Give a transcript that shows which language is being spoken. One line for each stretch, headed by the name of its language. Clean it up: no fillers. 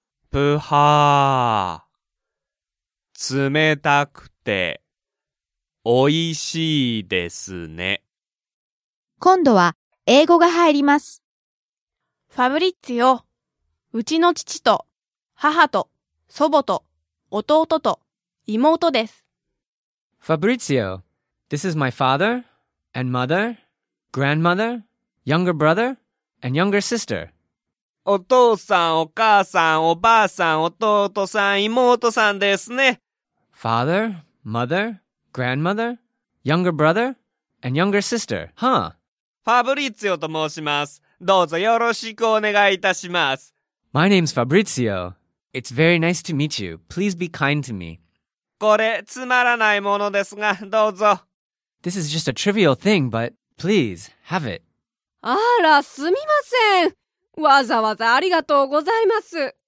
Japanese: ぷはー、冷たくて、おいしいですね。今度は、英語が入ります。ファブリッツィオ、うちの父と、母と、祖母と、弟と、妹です。
English: ファブリッツィオ、This is my father, and mother, grandmother, younger brother, and younger sister.
Japanese: お父さん、お母さん、おばあさん、弟さん、妹さんですね。
English: Father, mother, grandmother, younger brother, and younger sister, huh?
Japanese: ファブリッツィオと申します。どうぞよろしくお願いいたします。
English: My name's Fabrizio. It's very nice to meet you. Please be kind to me.
Japanese: これ、つまらないものですが、どうぞ。
English: This is just a trivial thing, but please, have it.
Japanese: あら、すみません。わざわざありがとうございます。